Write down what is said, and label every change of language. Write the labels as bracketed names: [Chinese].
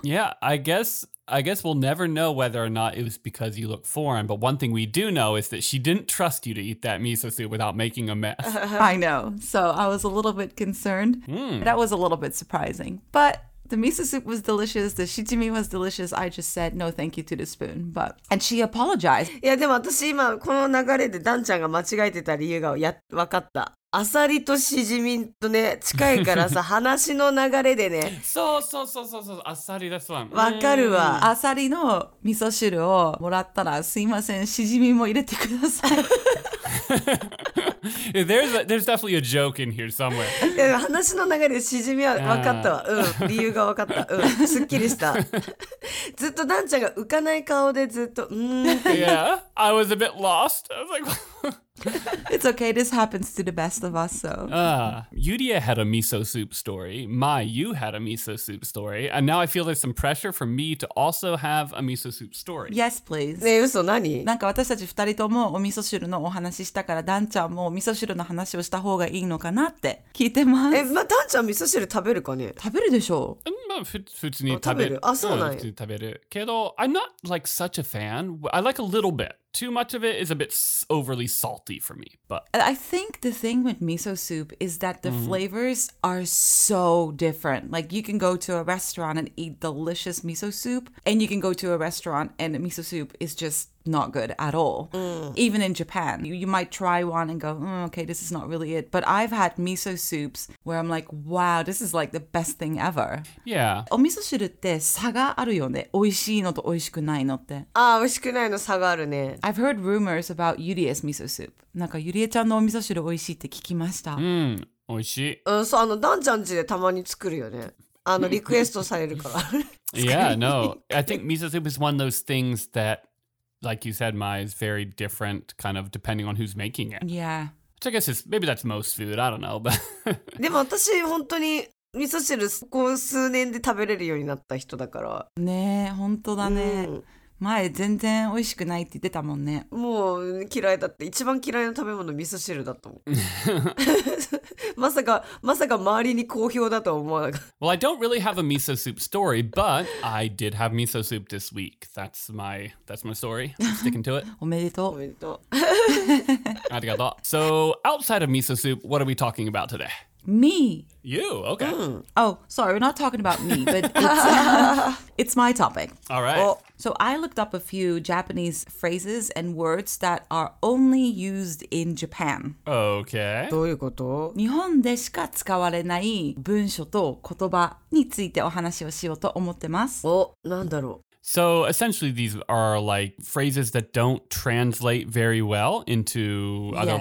[English] Yeah, I guess we'll never know whether or not it was because you look foreign. But one thing we do know is that she didn't trust you to eat that miso soup without making a mess. I know. So I was a little bit concerned. That was a little bit surprising. But the miso soup was delicious. The shichimi was delicious. I just said no thank you to the spoon. But And she apologized. [Japanese] Yeah, でも私今この流れでダンちゃんが間違えてた理由がや分かった。アサリとシジミとね近いからさ話の流れでねそうそうそうそうそうアサリですわわかるわアサリの味噌汁をもらったらすいませんシジミも入れてください [English] Yeah, there's definitely a joke in here somewhere. [Japanese] Yeah, 話の流れでしじみは分かったわ。うん、理由が分かった。うん、すっきりした。ずっとダンちゃんが浮かない顔でずっと、 [English] Yeah, I was a bit lost. I was like, It's okay, this happens to the best of us, so. Yudia had a miso soup story. Mai, you had a miso soup story. And now I feel there's some pressure for me to also have a miso soup story. Yes, please. [Japanese] ねえ、嘘、何？なんか私たち二人ともお味噌汁のお話したから、ダンちゃんも味噌汁の話をした方がいいのかなって聞いてます。え、まあ、ダンちゃん味噌汁食べるかね？食べるでしょう。まあ、普通に食べる。あ、そうなんや。普通に食べる。けど、 [English] I'm not like such a fan. I like a little bit. Too much of it is a bit overly salty for me. But I think the thing with miso soup is that the flavors are so different. Like you can go to a restaurant and eat delicious miso soup, and you can go to a restaurant and the miso soup is just not good at all. Even in Japan, you might try one and go, okay, this is not really it. But I've had miso soups where I'm like, wow, this is like the best thing ever. Yeah. [Japanese] お味噌汁って差があるよね。美味しいのと美味しくないのって。あ、美味しくないの差があるね。 [English] I've heard rumors about Yurie's miso soup. [Japanese] なんかゆりえちゃんのお味噌汁美味しいって聞きました。美味しい。うん、そう、あの、ダンちゃん家でたまに作るよね。あの、リクエストされるから。 [English] Yeah, no. I think miso soup is one of those things that, like you said, Mai, is very different, kind of, depending on who's making it. Yeah. Which I guess is, maybe that's most food, I don't know, but... [Japanese] でも私、本当に味噌汁、こう数年で食べれるようになった人だから。ねえ、本当だね。前全然美味しくないって言ってたもんね。もう嫌いだって、一番嫌いな食べ物味噌汁だと思う。まさか周りに好評だとは思わなかった。 [English] Well, I don't really have a miso soup story, but I did have miso soup this week. That's my story. I'm sticking to it. [Japanese] おめでとう。おめでとう。ありがとう。 [English] So, outside of miso soup, what are we talking about today? Me. You, okay. Mm. Oh, sorry, we're not talking about me, but it's my topic. All right. Well, so I looked up a few Japanese phrases and words that are only used in Japan. Okay. [Japanese] どういうこと? 日本でしか使われない文書と言葉についてお話をしようと思ってます。お、なんだろう? [English] So essentially these are like phrases that don't translate very well into other Yes.